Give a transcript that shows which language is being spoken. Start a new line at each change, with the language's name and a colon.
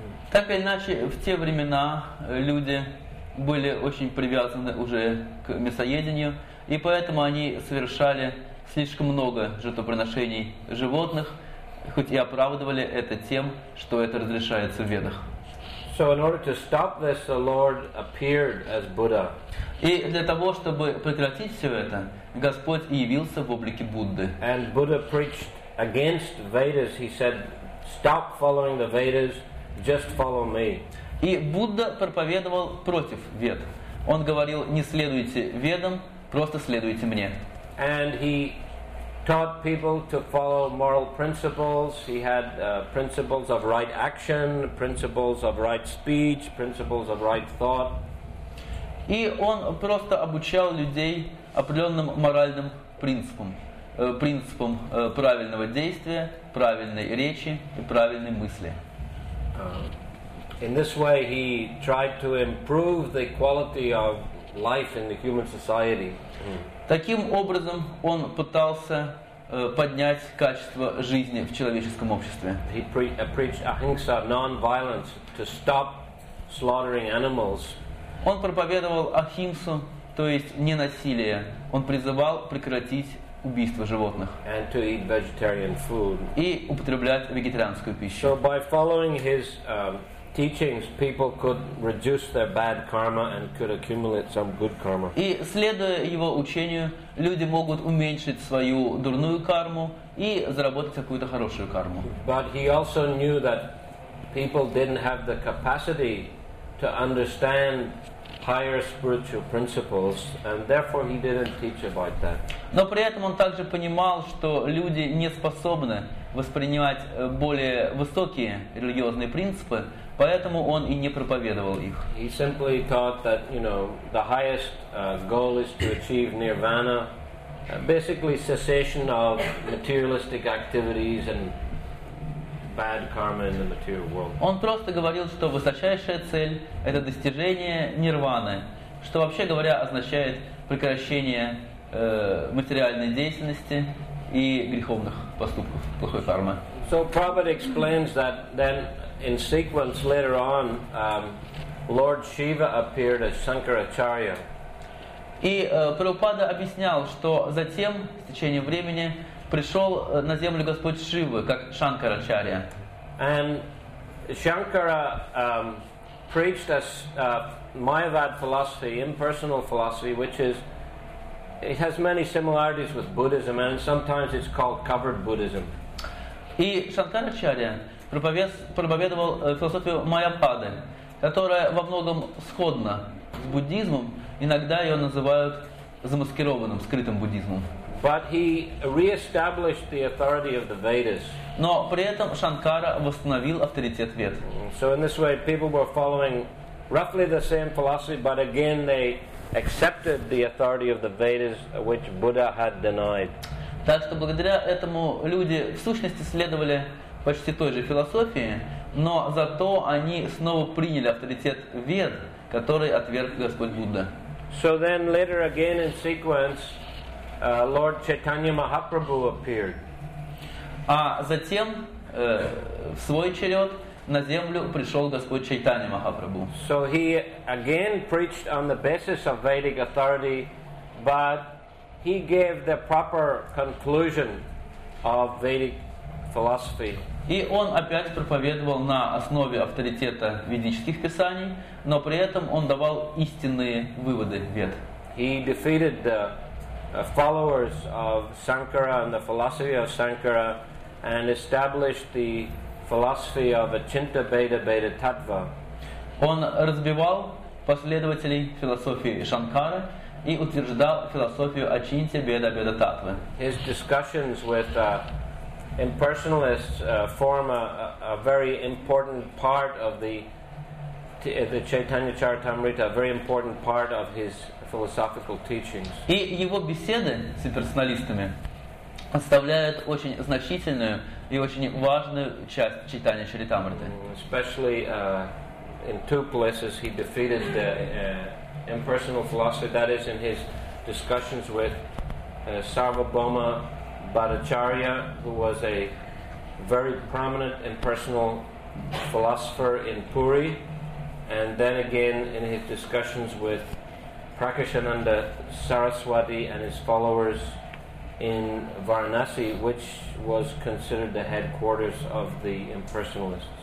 Russian: Так или иначе, в те времена люди были очень привязаны уже к мясоедению, и поэтому они совершали слишком много жертвоприношений животных, хоть и оправдывали это тем, что это разрешается в Ведах.
English: So in order to stop this, the Lord appeared as Buddha.
Russian: И для того, чтобы прекратить все это, Господь явился в облике Будды.
English: And Buddha preached against Vedas. He said, "Stop following the Vedas, just follow me."
Russian: И Будда проповедовал против Вед. Он говорил: не следуйте Ведам, просто следуйте мне.
English: And he taught people to follow moral principles. He had principles of right action, principles of right speech, principles of right thought.
Russian: И он просто обучал людей определенным моральным принципам, принципам правильного действия, правильной речи и правильной мысли.
English: In this way, he tried to improve the quality of life in the human society.
Russian: Таким образом, он пытался поднять качество жизни в человеческом обществе.
English: He preached ahimsa, non-violence, to stop slaughtering animals.
Russian: Он проповедовал ахимсу, то есть ненасилие. Он призывал прекратить убийство животных.
English: And to eat vegetarian food.
Russian: И употреблять вегетарианскую пищу.
English: So by following his teachings, people could reduce their bad karma and could accumulate some good karma.
Russian: И следуя его учению, люди могут уменьшить свою дурную карму и заработать какую-то хорошую карму.
English: But he also knew that people didn't have the capacity to understand higher spiritual principles, and therefore he didn't teach about that.
Russian: Но при этом он также понимал, что люди не способны воспринимать более высокие религиозные принципы, поэтому он и не проповедовал их.
English: He simply taught that, you know, the highest goal is to achieve nirvana, basically cessation of materialistic activities and bad karma in the material world.
Russian: Он просто говорил, что высочайшая цель — это достижение нирваны, что вообще говоря означает прекращение материальной деятельности и греховных поступков, плохой кармы.
English: So Prabhupada explains that then in sequence later on, Lord Shiva appeared as Shankaracharya.
Russian: И Прабхупада объяснял, что затем, с течением времени, пришел на землю Господь Шивы, как Шанкарачарья.
English: And Shankara preached as Mayavad philosophy, impersonal philosophy, which is, it has many similarities with Buddhism, and sometimes it's called covered Buddhism.
Russian: И Шанкарачарья проповедовал философию Майяпады, которая во многом сходна с буддизмом, иногда ее называют замаскированным, скрытым буддизмом.
English: But he re-established the authority of the Vedas.
Russian: Но при этом Шанкара восстановил авторитет Вед.
English: So in this way, people were following roughly the same philosophy, but again they accepted the authority of the Vedas, which Buddha had denied.
Russian: Так что благодаря этому люди в сущности следовали почти той же философии, но зато они снова приняли авторитет Вед, который отверг Господь Будда.
English: So then later again in sequence, Lord Chaitanya Mahaprabhu appeared.
Russian: А затем в свой черед на землю пришел Господь Чайтанья Махапрабху.
English: So he again preached on the basis of Vedic authority, but he gave the proper conclusion of Vedic philosophy.
Russian: И он опять проповедовал на основе авторитета ведических писаний, но при этом он давал истинные выводы Вед.
English: He defeated the followers of Shankara and the philosophy of Shankara and established the philosophy of Achinta Beda Beda Tattva.
Russian: Он разбивал последователей философии Шанкары и утверждал философию Ачинтья Беда Беда Таттвы.
English: His discussions with impersonalists form a very important part of the Chaitanya Charitamrita, a very important part of his philosophical teachings.
Russian: И его беседы с имперсоналистами составляют очень значительную и очень важную часть Чайтанья Чаритамриты.
English: Especially in two places he defeated the impersonal philosophy, that is in his discussions with Sarvabhauma Bhattacharya, who was a very prominent impersonal philosopher in Puri, and then again in his discussions with Prakashananda Saraswati and his followers in Varanasi, which was considered the headquarters of the impersonalists.